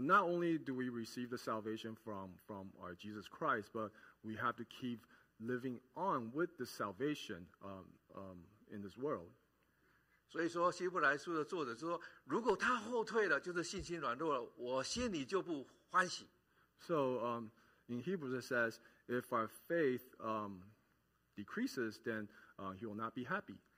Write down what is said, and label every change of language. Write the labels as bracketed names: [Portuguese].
[English] not only do we receive the salvation from our Jesus Christ, but we have to keep living on with the salvation in this world. [Chinese] 所以说，希伯来书的作者说，如果他后退了，就是信心软弱了，我心里就不欢喜。 [English] So in Hebrews it says, if our faith decreases, then he will not be happy.